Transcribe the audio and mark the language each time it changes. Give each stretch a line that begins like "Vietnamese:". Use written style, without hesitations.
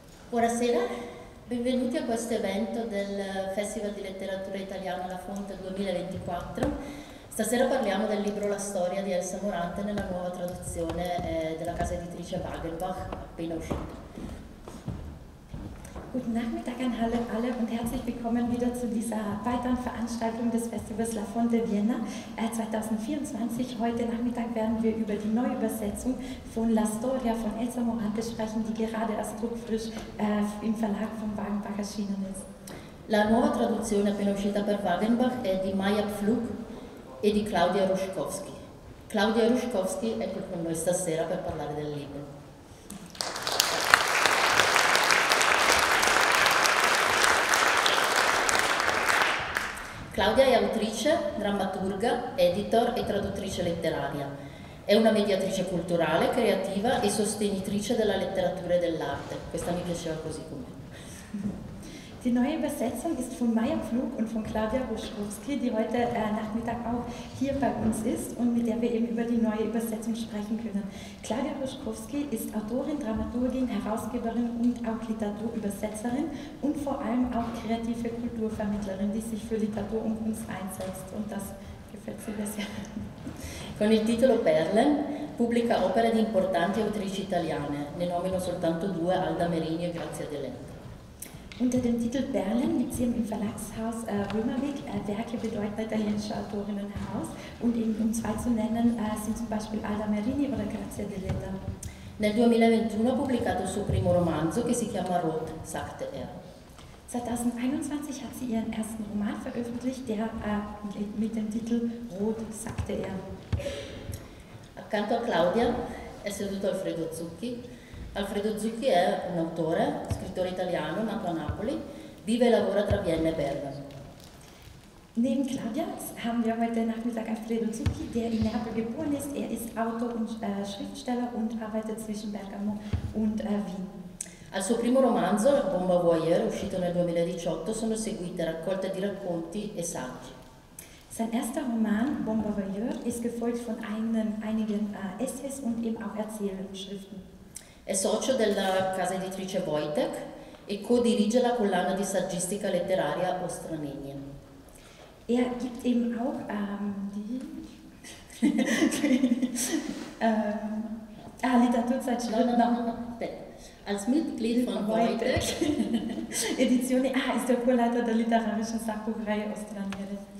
Italian: Buonasera, benvenuti a questo evento del Festival di Letteratura Italiana La Fonte 2024. Stasera parliamo del libro La Storia di Elsa Morante nella nuova traduzione della casa editrice Wagelbach, appena uscita.
German: Guten Nachmittag an alle und herzlich willkommen wieder zu dieser weiteren Veranstaltung des Festivals La Fonte Vienna 2024. Heute Nachmittag werden wir über die Neuübersetzung von La Storia von Elsa Morante sprechen, die gerade erst druckfrisch im Verlag von Wagenbach erschienen ist.
Italian: La nuova traduzione appena uscita per Wagenbach è di Maya Pflug e di Claudia Ruschkowski. Claudia Ruschkowski è qui con noi stasera per parlare del libro. Claudia è autrice, drammaturga, editor e traduttrice letteraria. È una mediatrice culturale, creativa e sostenitrice della letteratura e dell'arte. Questa mi piaceva così com'è.
German: Die neue Übersetzung ist von Maya Pflug und von Claudia Ruschkowski, die heute Nachmittag auch hier bei uns ist und mit der wir eben über die neue Übersetzung sprechen können. Claudia Ruschkowski ist Autorin, Dramaturgin, Herausgeberin und auch Literaturübersetzerin und vor allem auch kreative Kulturvermittlerin, die sich für Literatur und Kunst einsetzt. Und das gefällt sie mir sehr.
Italian: Con il titolo Perle pubblica opere di importanti autrici italiane. Ne nomino soltanto due, Alda Merini e Grazia Deledda.
German: Unter dem Titel Berlin liegt sie im Verlagshaus Römerweg Werke bedeutender italienischer Autorinnen heraus. Und eben um zwei zu nennen sind zum Beispiel Alda Merini oder Grazia Deledda.
Italian: Nel 2021 ha pubblicato il suo primo romanzo, che si chiama Rot, sagte er.
German: 2021 hat sie ihren ersten Roman veröffentlicht, der mit dem Titel Rot, sagte er.
Italian: Accanto a Claudia è seduto Alfredo Zucchi. Alfredo Zucchi è un autore, scrittore italiano, nato a Napoli, vive e lavora tra Vienna e Bergamo.
German: Neben Claudia haben wir heute Nachmittag Alfredo Zucchi, der in Neapel geboren ist. Er ist Autor und Schriftsteller und arbeitet zwischen Bergamo und Wien.
Italian: Al suo primo romanzo, Bomba Voyeur, uscito nel 2018, sono seguite raccolte di racconti e saggi.
German: Sein erster Roman, Bomba Voyeur, ist gefolgt von einigen Essays und eben auch Erzählschriften.
Italian: È socio della casa editrice Wojtek e co-dirige la collana di saggistica letteraria Ostranenien.
German: Er gibt eben auch Literaturzeitschrift. Als Mitglied von Wojtek. Edizione, ist der Co-Leiter der literarischen Sachbuchrei Ostranenien.